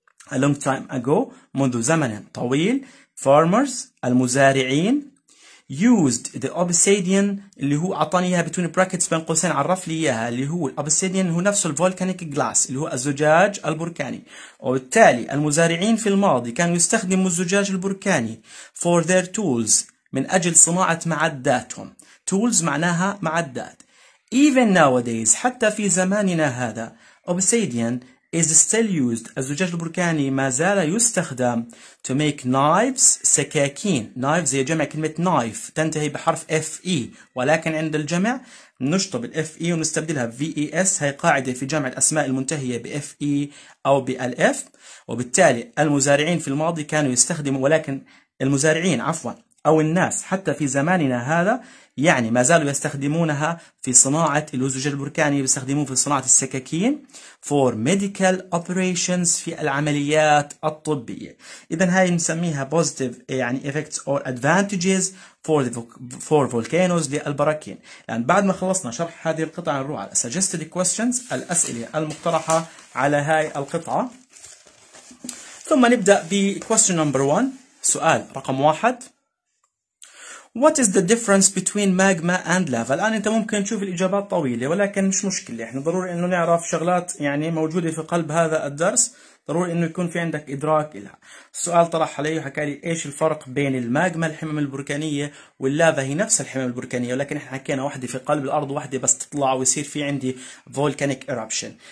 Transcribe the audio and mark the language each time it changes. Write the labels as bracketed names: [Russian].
[English] a long time ago [Arabic] منذ زمن طويل farmers المزارعين [English] used the obsidian [Arabic] اللي هو عطاني اياها [English] between brackets [Arabic] بين قوسين عرف لي اياها اللي هو الobsidian هو نفسه ال [English] volcanic glass [Arabic] اللي هو الزجاج البركاني. وبالتالي المزارعين في الماضي كانوا يستخدموا الزجاج البركاني [English] for their tools [Arabic] من اجل صناعة معداتهم. tools معناها معدات. [English] Even nowadays, [Arabic] حتى في زماننا هذا, [English] obsidian is still used. [Arabic] الزجاج البركاني ما زال يستخدم [English] to make knives, [Arabic] سكاكين. Knives هي جمع كلمة knife, تنتهي بحرف F-E. ولكن عند الجمع نشطب F-E ونستبدلها V-E-S. هي قاعدة في جمع الأسماء المنتهية بF-E أو بالF. وبالتالي المزارعين في الماضي كانوا يستخدموا, ولكن المزارعين عفوا أو الناس حتى في زماننا هذا يعني ما زالوا يستخدمونها في صناعة الزجاج البركاني, يستخدمون في صناعة السكاكين [English] for medical operations [Arabic] في العمليات الطبية. إذن هاي نسميها positive يعني [English] effects or advantages for volcanoes [Arabic] للبراكين. لأن بعد ما خلصنا شرح هذه القطعة نروح على [English] suggested questions, [Arabic] الأسئلة المقترحة على هاي القطعة, ثم نبدأ ب [English] question number one. [Arabic] سؤال رقم واحد, [English] What is the difference between magma and lava? [Arabic] الآن أنت ممكن تشوف الإجابات طويلة, ولكن مش مشكلة, إحنا ضروري أنه نعرف شغلات يعني موجودة في قلب هذا الدرس, ضروري أنه يكون في عندك إدراك لها. السؤال طرح علي وحكى لي إيش الفرق بين الماجما الحمم البركانية واللافا, هي نفس الحمم البركانية, ولكن إحنا حكينا واحدة في قلب الأرض واحدة بس تطلع ويصير في عندي [English] volcanic eruption.